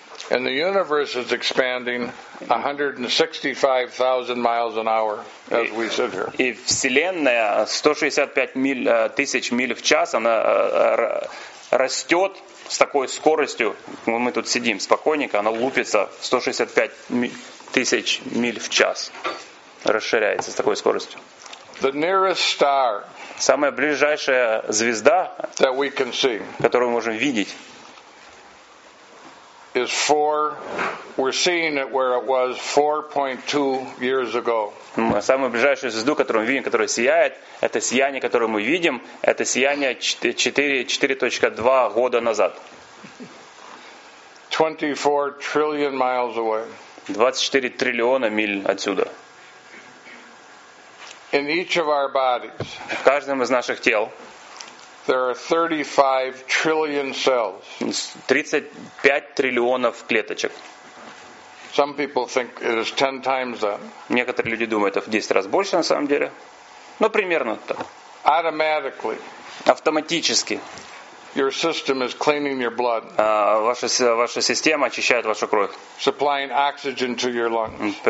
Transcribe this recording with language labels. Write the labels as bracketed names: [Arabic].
[English] And the universe is expanding 165,000 miles an hour as we sit here. [Russian] И вселенная 165 тысяч миль в час, она растет с такой скоростью. Мы тут сидим спокойненько, она лупится 165 тысяч миль в час, расширяется с такой скоростью. [English] The nearest star. [Russian] Самая ближайшая звезда, [English] that we can see. [Russian] Которую мы можем видеть. [English] Is four. We're seeing it where it was 4.2 years ago. [Russian] Самую ближайшую звезду, которую мы видим, которая сияет, это сияние, которое мы видим, это сияние 4.2 года назад. [English] 24 trillion miles away. [Russian] 24 триллиона миль отсюда. [English] In each of our bodies. [Russian] В каждом из наших тел. [English] There are 35 trillion cells. [Russian] 35 триллионов клеточек. [English] Some people think it is 10 times that. [Russian] Некоторые люди думают, это в 10 раз больше на самом деле. Ну, примерно так. [English] Automatically. [Russian] Автоматически. [English] Your system is cleaning your blood. [Russian] Ваша система очищает вашу кровь. [English] Supplying oxygen to your lungs.